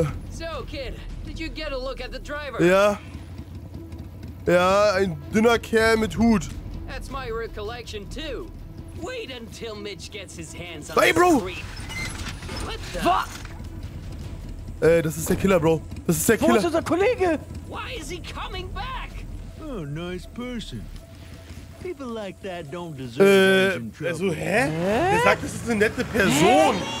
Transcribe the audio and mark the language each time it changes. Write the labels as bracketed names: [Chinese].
[English] So, kid, did you get a look at the driver? [German] Ja. Ja, ein dünner Kerl mit Hut. [English] That's my recollection too. Wait until Mitch gets his hands on the street. Hey, Bro. What the? [German] Was? Das ist der Killer, Bro. Das ist der Killer. Wo ist unser Kollege? [English] Why is he coming back? Oh, nice person. People like that don't deserve [German] Also, hä? Er sagt, das ist eine nette Person.